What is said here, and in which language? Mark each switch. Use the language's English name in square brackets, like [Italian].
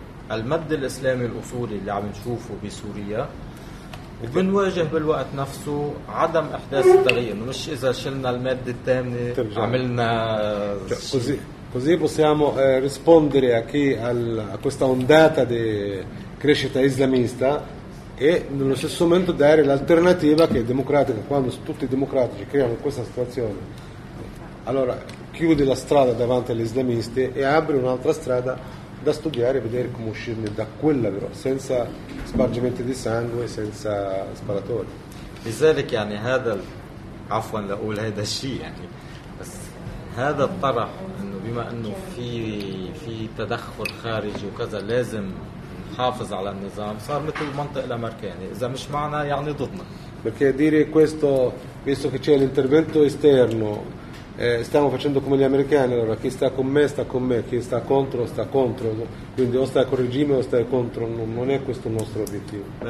[Arabic] المد الإسلامي الأصولي اللي عم نشوفه بسوريا وبنواجه بالوقت نفسه عدم إحداث التغيير مش إذا شلنا المادة الثامنة عملنا [Italian] così possiamo rispondere a chi a questa ondata di crescita islamista e nello stesso momento dare l'alternativa che è democratica quando tutti i democratici creano questa situazione allora chiude la strada davanti agli islamisti e apre un'altra strada da studiare e vedere come uscirne da quella però senza spargimenti di sangue e senza sparatori. [Arabic] لذلك يعني هذا عفوا لأقول هذا الشيء يعني بس هذا الطرح إنه بما إنه في تدخل خارجي وكذا لازم نحافظ على النظام صار مثل منطق الأمريكاني إذا مش معنا يعني ضدنا. [Italian] Perché dire questo visto che c'è l'intervento esterno stiamo facendo come gli americani, allora chi sta con me sta con me, chi sta contro sta contro, quindi o sta con il regime o sta contro, non è questo il nostro obiettivo.